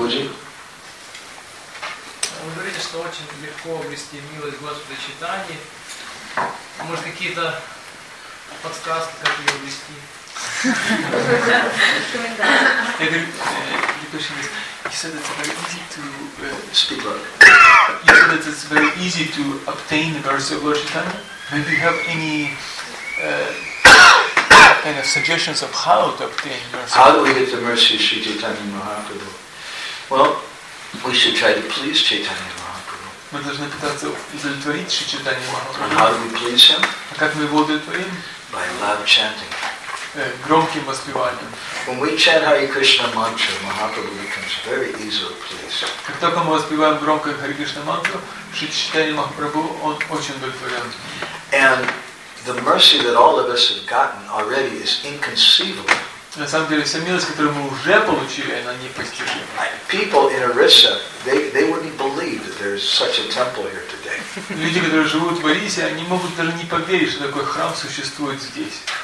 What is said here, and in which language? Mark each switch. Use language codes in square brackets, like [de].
[ru] Вы говорите, что очень легко обрести милость Господа Чайтаньи. Может, какие-то подсказки, как ее обрести? [en] You said that it's very easy to obtain the mercy of Lord Chaitanya. Maybe you have any kind of suggestions of how to obtain mercy? How do we get the mercy of Sri Chaitanya Mahaprabhu? Well, we should try to please Chaitanya Mahaprabhu. [ru] Мы должны пытаться удовлетворить Шри Чайтанья Махапрабху. [en] How do we please him? [ru] А как мы его удовлетворим? [en] By loud chanting. [ru] Громким воспеванием. [en] When we chant Hare Krishna mantra, Mahaprabhu becomes very easily pleased. [ru] Как только мы воспеваем громко Hare Krishna mantra, Шри Чайтанья Махапрабху он очень удовлетворен. [en] And the mercy that all of us have gotten already is inconceivable. [ru] На самом деле, вся милость, которую мы уже получили, она непостижима. [en] People in Orissa, they wouldn't believe that there's such a temple here today. [ru] Люди, которые живут в Орисе, они могут даже не поверить, что такой храм существует здесь.